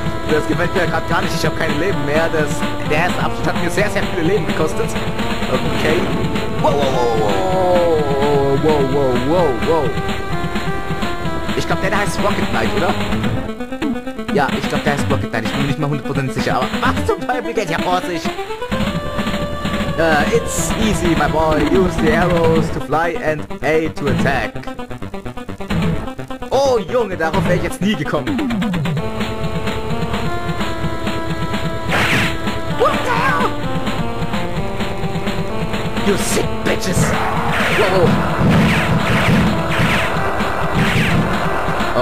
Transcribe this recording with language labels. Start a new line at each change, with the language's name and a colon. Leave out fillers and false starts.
German: Das gefällt mir gerade gar nicht, ich habe kein Leben mehr. Das Dash-Abschnitt hat mir sehr, sehr viele Leben gekostet. Okay. Wow. Ich glaube, der heißt Rocket Knight, oder? Ja, ich glaube, der heißt Rocket Knight. Ich bin mir nicht mal 100% sicher, aber was zum Teufel geht hier vor sich?
English: It's easy, my boy. Use the arrows to fly and A to attack.
German: Oh, Junge, darauf wäre ich jetzt nie gekommen.
English: You sick bitches! Whoa.